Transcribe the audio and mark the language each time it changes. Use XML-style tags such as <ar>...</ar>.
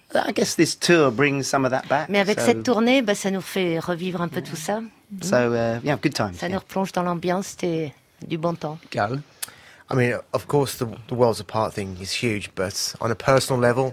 <en>I guess this tour brings some of that back.</en> <fr>Mais avec cette tournée, bah ça nous fait revivre un peu tout ça.</fr> <en>So yeah, good times.</en> <fr>Ça nous replonge dans l'ambiance, c'était du bon temps. Cal.</fr> <en>I mean, of course, the Worlds Apart thing is huge, but on a personal level,</en>